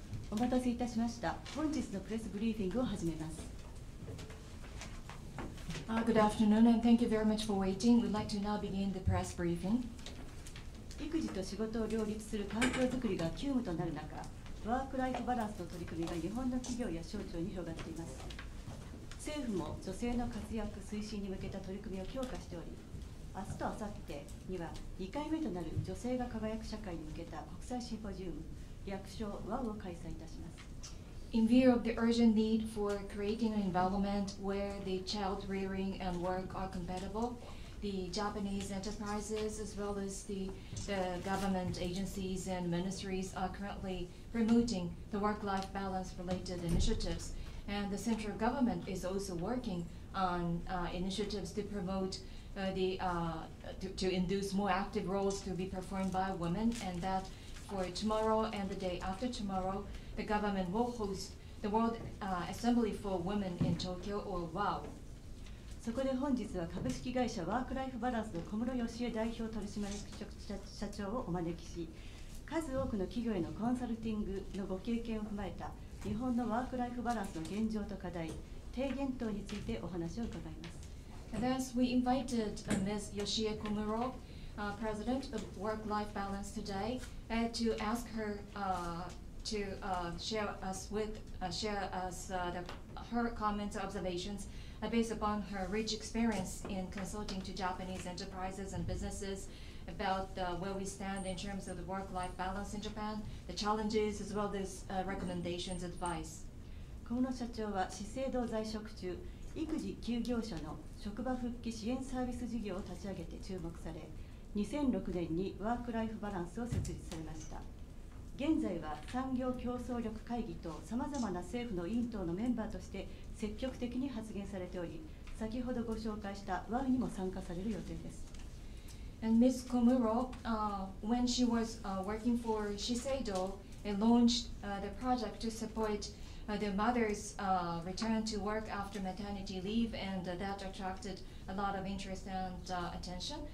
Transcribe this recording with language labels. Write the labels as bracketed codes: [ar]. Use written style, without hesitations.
[ja] お待たせいたしました。本日のプレスブリーフィングを始めます。 [en] Good afternoon and thank you very much for waiting. We'd like to now begin the press briefing. [ja] 育児と仕事を両立する環境づくりが急務となる中、ワークライフバランスの取り組みが日本の企業や省庁に広がっています。政府も女性の活躍推進に向けた取り組みを強化しており、明日と明後日には2回目となる女性が輝く社会に向けた国際シンポジウム、略称ワウを開催いたします。 [en] In view of the urgent need for creating an environment where the child rearing and work are compatible, the Japanese enterprises as well as the government agencies and ministries are currently promoting the work-life balance related initiatives. And the central government is also working on initiatives to promote to induce more active roles to be performed by women, and that for tomorrow and the day after tomorrrow,The government will host the World Assembly for Women in Tokyo, or WOW. [ja] そこで本日は株式会社ワークライフバランスの小室義恵代表取締役社長をお招きし、数多くの企業へのコンサルティングのご経験を踏まえた日本のワークライフバランスの現状と課題、提言等についてお話を伺います。 [en] Thus, we invited Ms. Yoshie Komuro, President of Work Life Balance today, to ask her. To share her comments and observations based upon her rich experience in consulting to Japanese enterprises and businesses about where we stand in terms of the work-life balance in Japan, the challenges as well as recommendations, advice. [ja] 小室社長は資生堂在職中、育児休業者の職場復帰支援サービス事業を立ち上げて注目され、2006年にワークライフバランスを設立されました。現在は産業競争力会議とさまざまな政府の委員等のメンバーとして積極的に発言されており、先ほどご紹介した WOW にも参加される予定です。 [en] And Ms. Komuro, when she was working for Shiseido, launched the project to support the mothers' return to work after maternity leave, and that attracted a lot of interest and attention.